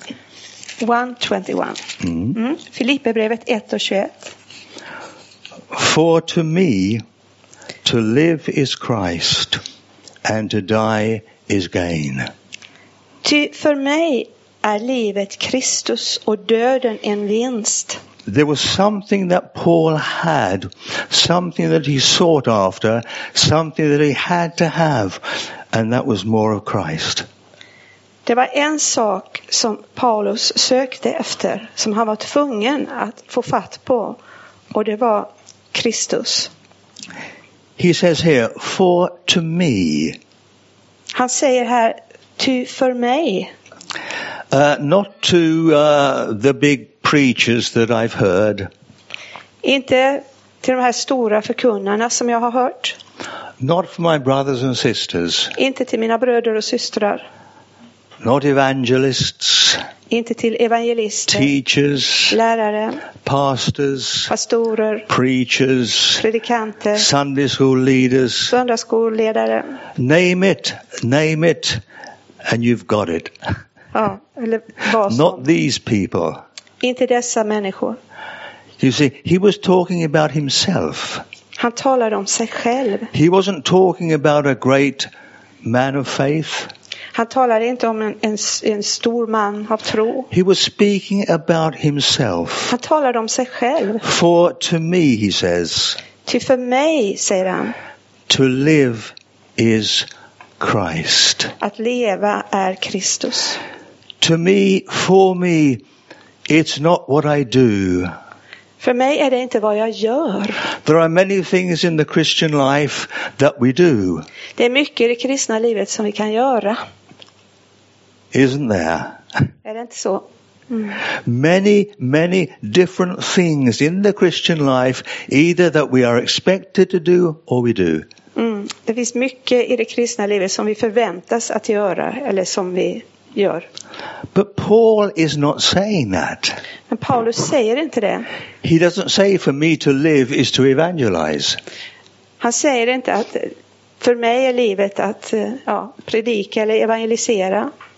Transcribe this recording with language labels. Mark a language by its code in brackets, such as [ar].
[sv] 1:21. Filipperbrevet 1:21. [en] For to me to live is Christ and to die is gain. [sv] Ty för mig är livet Kristus och döden en vinst. [en] There was something that Paul had, something that he sought after, something that he had to have, and that was more of Christ. [sv] Det var en sak som Paulus sökte efter, som han var tvungen att få fatt på, och det var Kristus. [en] He says here, for to me. [sv] Han säger här, ty för mig. [en] Not to the big preachers that I've heard. [sv] Inte till de här stora förkunnarna som jag har hört. [en] Not for my brothers and sisters. [sv] Inte till mina bröder och systrar. [en] Not evangelists. [sv] Inte till evangelister. [en] Teachers. [sv] Lärare. [en] Pastors. [sv] Pastorer. [en] Preachers. [sv] Predikanter. [en] Sunday school leaders. [sv] Söndagsskolledare. [en] Name it, and you've got it. Not these people. [sv] Inte dessa människor. [en] You see, he was talking about himself. [sv] Han talade om sig själv. [en] He wasn't talking about a great man of faith. [sv] Han talade inte om en stor man av tro. [en] He was speaking about himself. [sv] Han talade om sig själv. [en] For to me, he says. [sv] Ty för mig, säger han. [en] To live is Christ. [sv] Att leva är Kristus. [en] To me, for me, it's not what I do. [sv] För mig är det inte vad jag gör. [en] There are many things in the Christian life that we do. [sv] Det är mycket i det kristna livet som vi kan göra. [en] Isn't there? [sv] Är det inte så? [en] Many, many different things in the Christian life, either that we are expected to do or we do. [sv] Det finns mycket i det kristna livet som vi förväntas att göra eller som vi gör. [en] But Paul is not saying that. [sv] Men Paulus säger inte det. [en] He doesn't say for me to live is to evangelize. [sv] Han säger inte att för mig är livet att predika eller evangelisera.